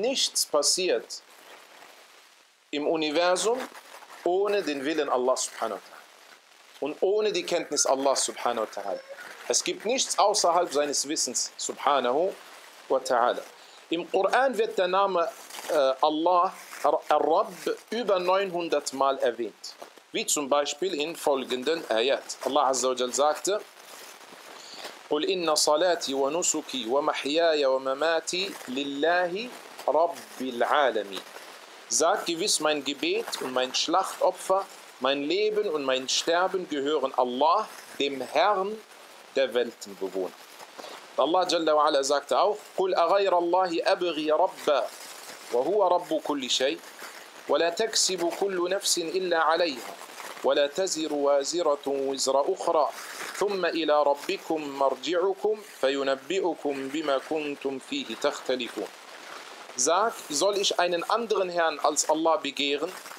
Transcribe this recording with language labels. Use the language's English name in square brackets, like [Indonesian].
[German] Nichts passiert im Universum ohne den Willen Allah subhanahu wa ta'ala und ohne die Kenntnis Allah subhanahu wa ta'ala. Es gibt nichts außerhalb seines Wissens, subhanahu wa ta'ala. Im Koran wird der Name Allah, Ar-Rabb, über 900 Mal erwähnt. Wie zum Beispiel in folgenden Ayat. Allah Azza wa Jal sagte, [Arabic] قُلْ إِنَّ صَلَاتِي وَنُسُكِي وَمَحْيَايَ وَمَمَاتِي لِلَّهِ رَبِّ الْعَالَمِينَ. [German] Sag gewiss, mein Gebet und mein Schlachtopfer, mein Leben und mein Sterben gehören Allah, dem Herrn der Weltenbewohner. Allah Jalla wa Ala sagte auch, [Arabic] قُلْ أَغَيْرَ اللَّهِ أَبْغِي رَبَّا وَهُوَ رَبُّ كُلِّ شَيْءٍ وَلَا تَكْسِبُ كُلُّ نَفْسٍ إِلَّا عَلَيْهَا وَلَا تَزِرُ وَازِرَةٌ وِزْرَ أُخْرَى ثُمَّ إِلَى رَبِّكُمْ مَرْجِعُكُمْ فَيُنَبِّئُكُمْ بِمَا كُنْتُمْ فِيهِ تَخْتَلِفُونَ. [German] Sag, soll ich einen anderen Herrn als Allah begehren?